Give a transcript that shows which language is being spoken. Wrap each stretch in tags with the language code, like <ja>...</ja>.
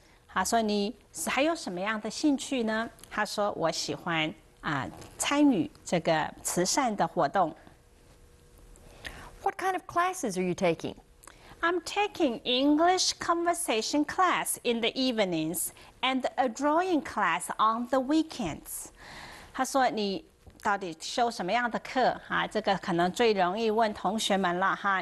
<zh>他说你还有什么样的兴趣呢？他说我喜欢参与这个慈善的活动。</zh> <en>What kind of classes are you taking? I'm taking English conversation class in the evenings and a drawing class on the weekends.</en> <zh>他说你到底修什么样的课？这个可能最容易问同学们了哈。</zh>